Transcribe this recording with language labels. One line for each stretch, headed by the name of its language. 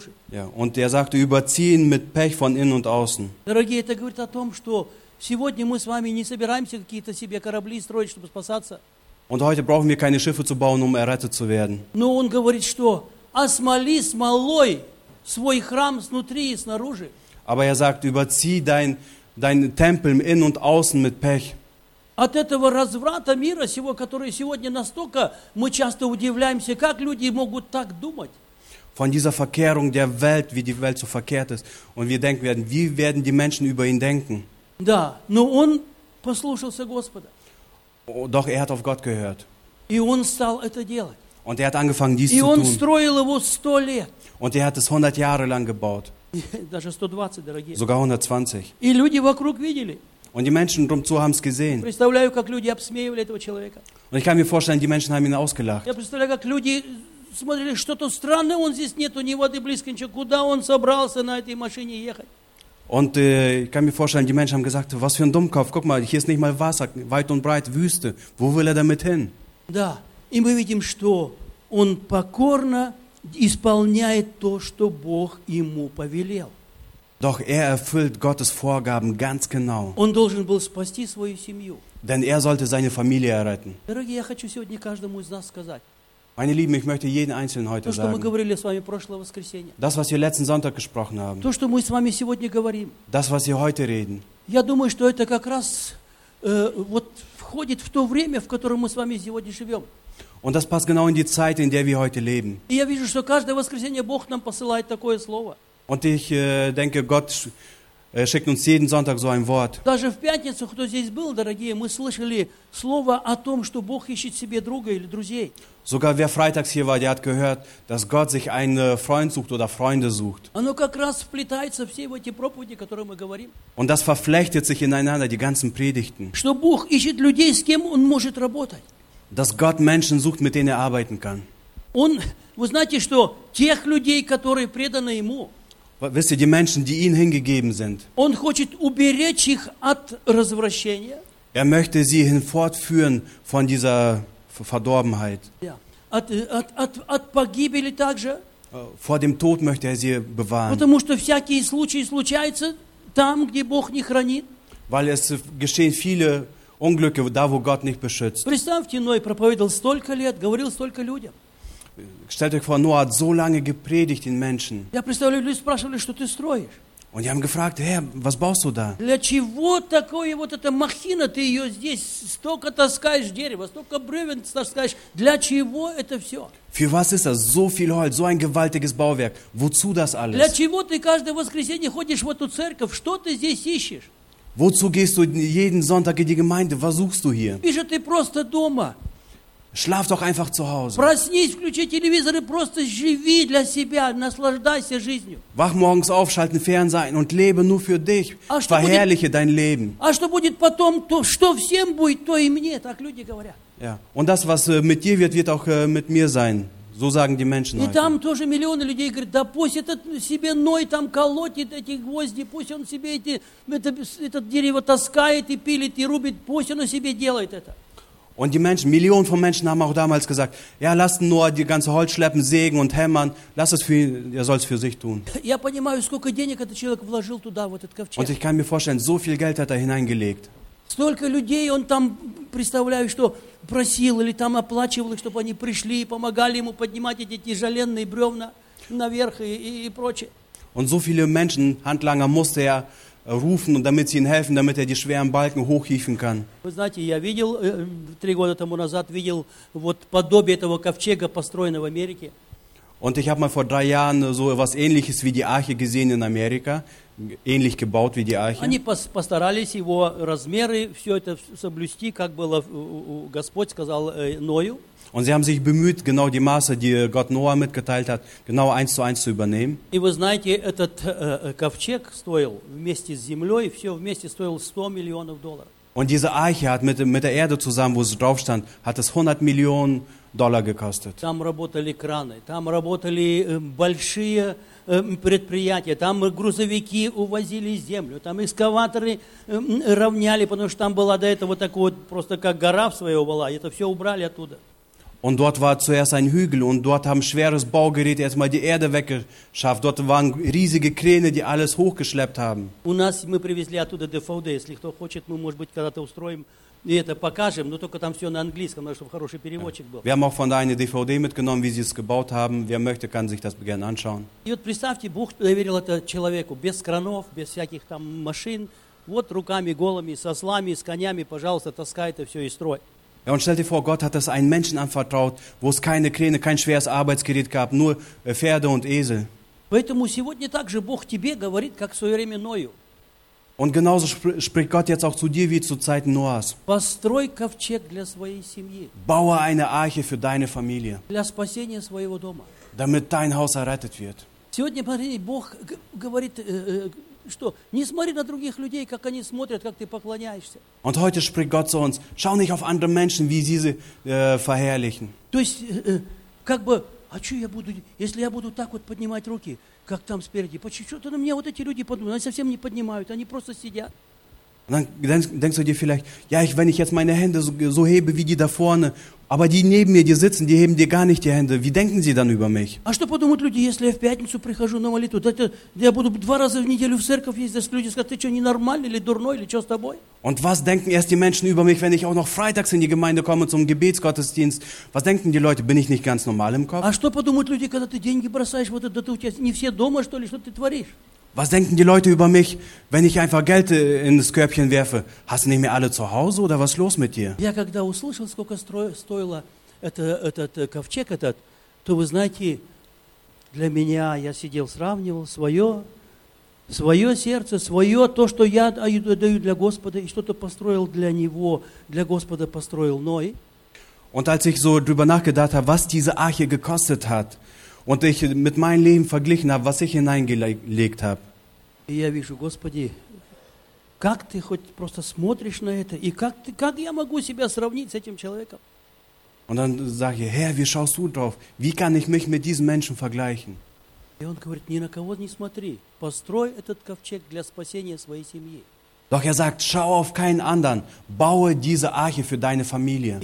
German: Und er sagte, überziehen mit Pech von innen und außen.
Russian: Дорогие, это говорит о том, что сегодня мы с вами не собираемся какие-то себе корабли строить, чтобы спасаться.
German: Und heute brauchen wir keine Schiffe zu bauen, um errettet zu werden.
Russian: Но он говорит, что осмоли смолой свой храм снутри и снаружи.
German: Aber er sagt, überzieh dein Tempel innen und außen mit Pech.
Russian: От этого разврата мира сего, который сегодня настолько, мы часто удивляемся, как люди могут так думать.
German: Von dieser Verkehrung der Welt, wie die Welt so verkehrt ist. Und wir denken werden, wie werden die Menschen über ihn denken?
Russian: Да, но он послушался Господа.
German: Doch er hat auf Gott gehört.
Russian: И он стал это делать.
German: Und er hat angefangen, dies
Russian: и
German: zu tun.
Russian: И он строил его 100 лет.
German: Und er hat es 100 Jahre lang gebaut.
Russian: Даже 120, дорогие.
German: Sogar 120.
Russian: И люди вокруг видели.
German: Und die Menschen drumzu haben es gesehen.
Russian: Представляю, как люди обсмеивали этого человека. Und ich kann mir vorstellen, die Menschen haben ihn ausgelacht. Я представляю, как люди смотрели, что-то странное, он здесь нету, ни воды близко, ничего. Куда он собрался на этой машине ехать?
German: Und ich kann mir vorstellen, die Menschen haben gesagt, was für ein Dummkopf, guck mal, hier ist nicht mal Wasser, weit und breit Wüste, wo will er damit hin?
Russian: Да, и мы видим, что он покорно исполняет то, что Бог ему повелел.
German: Doch er erfüllt Gottes Vorgaben ganz genau.
Russian: Он должен был спасти свою семью.
German: Denn er sollte seine Familie erretten.
Russian: Дорогие, я хочу сегодня каждому из нас сказать.
German: Meine Lieben, ich möchte jeden Einzelnen heute
Russian: то, что
German: sagen,
Russian: мы говорили с вами прошлого воскресенья.
German: Das, was wir letzten Sonntag gesprochen haben,
Russian: то, что мы с вами сегодня говорим.
German: Das, was wir heute reden,
Russian: я думаю, что это как раз вот входит в то время, в котором мы с вами сегодня живем.
German: Und das passt genau in die Zeit, in der wir heute leben.
Russian: И я вижу, что каждое воскресенье Бог нам посылает такое слово.
German: Und ich denke, Gott schickt uns jeden Sonntag so ein Wort.
Russian: Даже в пятницу, кто здесь был, дорогие, мы слышали слово о том, что Бог ищет себе друга или друзей.
German: Sogar wer freitags hier war, der hat gehört, dass Gott sich einen Freund sucht oder Freunde sucht.
Russian: Оно как раз вплетается все в эти проповеди, которые мы говорим.
German: Und das verflechtet sich ineinander, die ganzen Predigten.
Russian: Что Бог ищет людей, с кем он может работать.
German: Dass Gott Menschen sucht, mit denen er arbeiten kann.
Russian: Он, вы знаете, что тех людей, которые преданы ему.
German: Wisst ihr, die Menschen, die ihnen hingegeben sind.
Russian: Он хочет уберечь их от развращения.
German: Er möchte sie hinfortführen von dieser Verdorbenheit.
Russian: Ja. От погибели также.
German: Vor dem Tod möchte er sie bewahren.
Russian: Потому что всякие случаи случаются там, где Бог не хранит.
German: Weil es geschehen viele Unglücke da, wo Gott nicht beschützt.
Russian: Представьте, Ной проповедовал столько лет, говорил столько людям.
German: Stellt euch vor, Noah hat so lange gepredigt den Menschen.
Russian: Я представляю, люди спрашивали, что ты строишь.
German: Und die haben gefragt, hey, was baust du da?
Russian: Для чего такое вот эта махина, ты ее здесь столько таскаешь дерево, столько бревен таскаешь, для чего это все?
German: Für was ist das? So viel Holz, so ein gewaltiges Bauwerk. Wozu das alles?
Russian: Для чего ты каждое воскресенье ходишь в эту церковь? Что ты здесь ищешь?
German: Wozu gehst du jeden Sonntag in die Gemeinde? Was suchst du hier? Bist
Russian: ты просто дома?
German: Schlaf doch einfach zu Hause.
Russian: Проснись, включи телевизор и просто живи для себя, наслаждайся жизнью.
German: Wach morgens auf, schalte den Fernseher und lebe nur für dich. Verherrliche dein Leben.
Russian: А что будет потом, то что всем будет, то и мне, так люди говорят.
German: Ja. Und das, was mit dir wird, wird auch mit mir sein. So sagen die Menschen heute.
Russian: И там тоже миллионы людей говорят, да пусть этот себе Ной там колотит эти гвозди, пусть он себе это дерево таскает и пилит и рубит, пусть он себе делает это.
German: Und die Menschen, Millionen von Menschen haben auch damals gesagt, ja, lass Noah die ganze Holz schleppen, sägen und hämmern, lass es für ihn, er soll es für sich tun.
Russian: Я понимаю, сколько денег этот человек вложил туда, в этот ковчег.
German: Und ich kann mir vorstellen, so viel Geld hat er hineingelegt.
Russian: Столько людей он там, представляю, что просил или там оплачивал, чтобы они пришли и помогали ему поднимать эти тяжеленные бревна наверх и прочее.
German: Und so viele Menschen, Handlanger, musste er rufen, damit sie ihm helfen, damit er die schweren Balken hochhieven kann.
Russian: Вы знаете, я видел три года тому назад видел вот подобие этого ковчега, построенного в Америке.
German: Und ich habe mal vor drei Jahren so etwas Ähnliches wie die Arche gesehen in Amerika, ähnlich gebaut wie die Arche.
Russian: Они постарались его размеры все это соблюсти, как было Господь сказал Ною.
German: Und sie haben sich bemüht, genau die Maße, die Gott Noah mitgeteilt hat, genau eins zu eins zu übernehmen.
Russian: И вы знаете, этот ковчег стоил вместе с землей, все вместе стоил 100 миллионов долларов.
German: Und diese Arche hat mit der Erde zusammen, wo sie drauf stand, hat es 100 Millionen Dollar gekostet.
Russian: Там работали краны, там работали большие предприятия, там грузовики увозили землю, там экскаваторы равняли, потому что там была до этого такая вот просто как гора в своего была, это все убрали оттуда.
German: Und dort war zuerst ein Hügel und dort haben schweres Baugerät erstmal die Erde weggeschafft. Dort waren riesige Kräne, die alles hochgeschleppt haben.
Russian: У нас мы привезли оттуда DVD, если кто хочет, мы, может быть, когда-то устроим и это покажем, но только там все на английском, надо, чтобы хороший переводчик был.
German: Wir haben auch von da eine DVD mitgenommen, wie sie es gebaut haben. Wer möchte, kann sich das gerne anschauen.
Russian: И вот представьте, Бог доверил это человеку без кранов, без всяких там машин. Вот руками голыми, со ослами, с конями, пожалуйста, таскай это все и строй.
German: Ja, und stell dir vor, Gott hat das einem Menschen anvertraut, wo es keine Kräne, kein schweres Arbeitsgerät gab, nur Pferde und Esel.
Russian: Поэтому сегодня также Бог тебе говорит, как в свое время Ною.
German: Und genauso spricht Gott jetzt auch zu dir, wie zu Zeiten Noahs.
Russian: Построй ковчег для своей семьи.
German: Baue eine Arche für deine Familie.
Russian: Для спасения своего дома.
German: Damit dein Haus errettet wird.
Russian: Сегодня, смотри, Бог говорит, что не смотри на других людей, как они смотрят, как ты поклоняешься.
German: Und heute spricht Gott zu uns, schau nicht auf andere Menschen, wie sie verherrlichen.
Russian: То есть, как бы, а что я буду, если я буду так вот поднимать руки, как там спереди, что-то на меня вот эти люди поднимают, они совсем не поднимают, они просто сидят.
German: Denkst du dir vielleicht, ja, wenn ich jetzt meine Hände so hebe wie die da vorne, aber die neben mir, die sitzen, die heben dir gar nicht die Hände. Wie denken sie dann über mich?
Russian: А что подумают люди, если я в пятницу прихожу на молитву? Да я буду два раза в неделю в церковь ездить, если люди скажут, ты что, ненормальный или дурной, или что с тобой?
German: Und was denken erst die Menschen über mich, wenn ich auch noch freitags in die Gemeinde komme zum Gebetsgottesdienst? Was denken die Leute, bin ich nicht ganz normal im Kopf?
Russian: А что подумают люди, когда ты деньги бросаешь, вот это у тебя не все дома, что ли, что ты творишь?
German: Was denken die Leute über mich, wenn ich einfach Geld in das Körbchen werfe? Hast du nicht mehr alle zu Hause oder was los mit dir?
Russian: Я когда услышал, сколько стоило этот ковчег этот, то вы знаете, для меня я сидел сравнивал свое сердце, свое то, что я даю для Господа и что-то построил для него, для Господа построил Ной.
German: Und als ich so drüber nachgedacht habe, was diese Arche gekostet hat. Und ich mit meinem Leben verglichen habe, was ich hineingelegt habe.
Russian: Я вижу, Господи, как ты хоть просто смотришь на это, и как я могу себя сравнить с этим человеком?
German: Und dann sage ich, Herr, wie schaust du drauf? Wie kann ich mich mit diesem Menschen vergleichen?
Russian: И он говорит, ни на кого не смотри, построй этот ковчег для спасения своей семьи.
German: Doch er sagt, schau auf keinen anderen, baue diese Arche für deine Familie.